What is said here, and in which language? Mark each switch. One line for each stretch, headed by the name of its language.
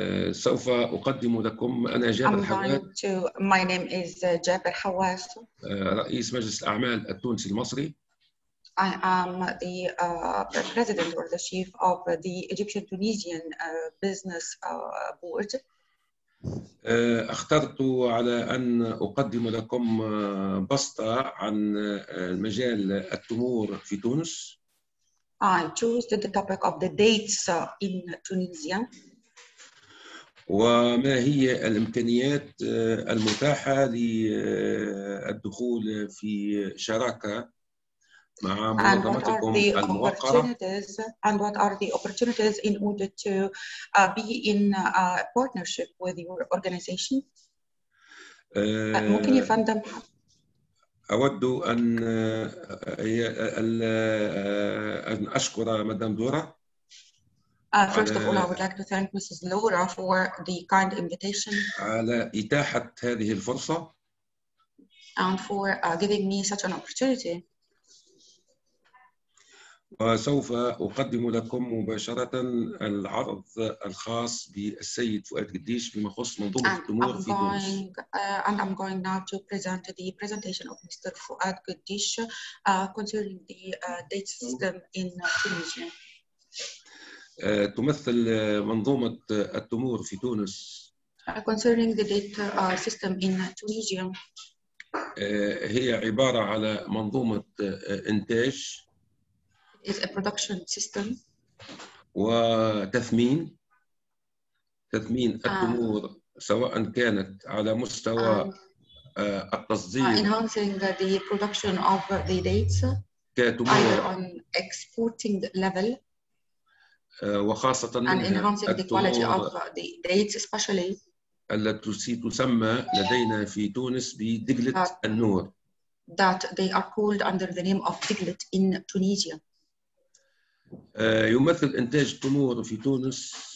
Arabic: سوف أقدم لكم أنا جابر حواس
English: my name is جابر حواس
Arabic: رئيس مجلس الأعمال التونسي المصري
English: I am the president or the chief of the Egyptian Tunisian business board
Arabic: اخترت على ان اقدم لكم بسطه عن مجال التمور في تونس
English: I chose the topic of the dates in Tunisia
Arabic: وما هي الامكانيات المتاحه للدخول في شراكه مع منظمتكم الموقرة
English: and what are the opportunities in order to be in a partnership with your organization
Arabic: ممكن يا فندم أود أن أشكر مدام دورا.
English: First of all, I would like to thank Mrs. Laura for the kind invitation.
Arabic: على إتاحة هذه الفرصة.
English: And for giving me such an opportunity.
Arabic: وسوف أقدم لكم مباشرة العرض الخاص بالسيد فؤاد قديش فيما يخص منظومة التمور في تونس.
English: And I'm going now to present the presentation of Mr. Fuad Qaddish concerning the data system in Tunisia.
Arabic: تمثل منظومة التمور في تونس.
English: Concerning the data system in Tunisia.
Arabic: هي عبارة على منظومة إنتاج.
English: Is a production system.
Arabic: وتثمين تثمين التمور سواء كانت على مستوى التصدير.
English: Enhancing the production of the dates.
Arabic: كتمور.
English: Either on exporting level.
Arabic: وخاصة.
English: And enhancing the quality of the dates, especially.
Arabic: التي تسمى لدينا في تونس بدقلة النور.
English: That they are called under the name of diglet in Tunisia.
Arabic: يمثل إنتاج التمور في تونس.